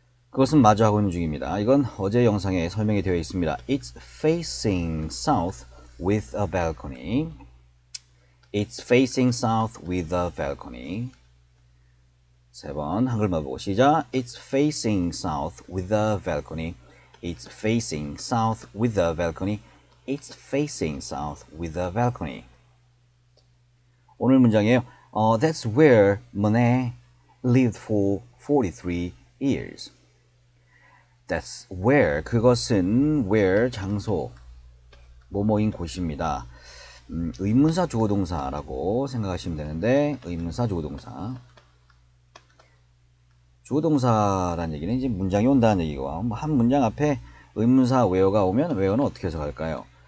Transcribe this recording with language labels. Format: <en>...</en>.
<ko>그것은 마저 하고 있는 중입니다. 이건 어제 영상에 설명이 되어 있습니다.</ko> <en>It's facing south with a balcony. It's facing south with a balcony.</en> <ko>세 번 한글만 보고 시작.</ko> <en>It's facing south with a balcony. It's facing south with a balcony. It's facing south with a balcony.</en> <ko>오늘 문장이에요.</ko> <en>That's where Monet lived for 43 years.</en> <ko>That's where, 그것은 where, 장소, 뭐뭐인 곳입니다. 의문사 주어동사라고 생각하시면 되는데, 의문사 주어동사. 주어동사라는 얘기는 이제 문장이 온다는 얘기고, 한 문장 앞에 의문사 where가 오면 where는 어떻게 해석할까요?</ko>